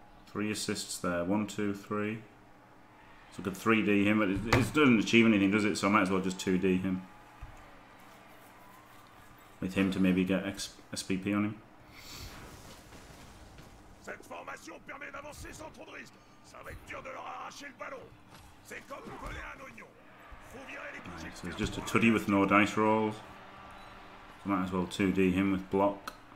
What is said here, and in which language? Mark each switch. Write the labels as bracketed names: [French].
[English] Three assists there. 1, 2, 3. So I could 3D him, but it doesn't achieve anything, does it? So I might as well just 2D him. With him to maybe get SPP on him. [French] Cette formation permet d'avancer sans trop de risque. Ça va être dur de leur arracher le ballon. C'est comme coller un oignon. Faut virer les pigeons. [English] So it's just a tuddy with no dice rolls. So might as well 2D him with block.